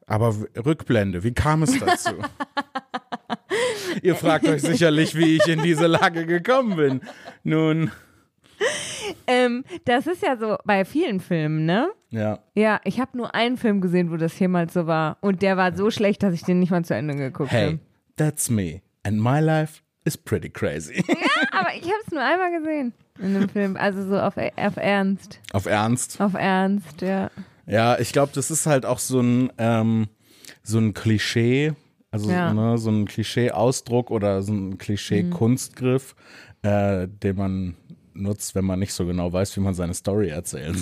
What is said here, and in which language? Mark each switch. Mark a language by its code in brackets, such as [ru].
[de] Aber Rückblende, wie kam es dazu? Ihr fragt euch sicherlich, wie ich in diese Lage gekommen bin. Nun. Das ist ja so bei vielen Filmen, ne? Ja. Ja, ich habe nur einen Film gesehen, wo das jemals so war. Und der war so schlecht, dass ich den nicht mal zu Ende geguckt habe. [en] Hey, that's me. And my life is pretty crazy. [de] Ja, aber ich habe es nur einmal gesehen in einem Film. Also so auf Ernst. Auf Ernst? Auf Ernst, ja. Ja, ich glaube, das ist halt auch so ein Klischee. Also ja. Ne, so ein Klischee-Ausdruck oder so ein Klischee-Kunstgriff, den man nutzt, wenn man nicht so genau weiß, wie man seine Story erzählt.